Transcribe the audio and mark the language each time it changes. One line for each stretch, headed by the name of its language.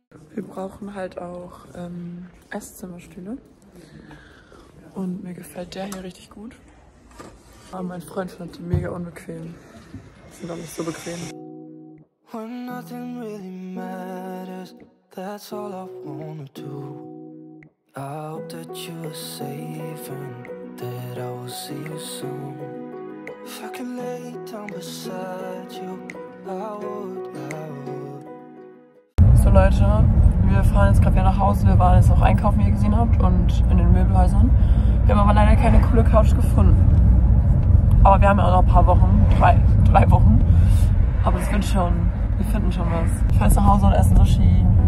German: Wir brauchen halt auch Esszimmerstühle und mir gefällt der hier richtig gut. Aber mein Freund findet ihn mega unbequem. Sind auch nicht so bequem.
English: When nothing really matters, that's all I wanna do. I hope that you're safe and that I will see you soon. If I could lay down beside you, I would, I would.
German: So Leute, wir fahren jetzt gerade wieder nach Hause. Wir waren jetzt noch einkaufen, wie ihr gesehen habt, und in den Möbelhäusern. Wir haben aber leider keine coole Couch gefunden. Aber wir haben ja auch noch ein paar Wochen. Drei Wochen. Aber es wird schon. Wir finden schon was. Ich fahre jetzt nach Hause und esse Sushi.